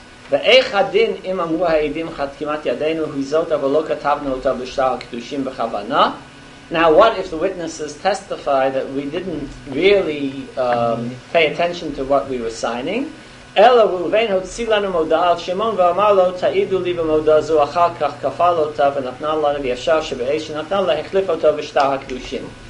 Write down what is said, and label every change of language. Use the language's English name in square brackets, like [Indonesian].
[Hebrew] ואיך הדין אם אמרו העדים חתימת ידינו וזאת אבל לא כתבנו אותה בשטר הקדושים בכוונה? [English] Now what if the witnesses testify that we didn't really pay attention to what we were signing? [Hebrew] אלא ראובן הוציא לנו מודעה על שמעון ואמר לו תעידו לי במודעה זו אחר כך כפל אותה ונתנה לנו ישר שבאי שנתנה לה החליף אותה בשטר הקדושים.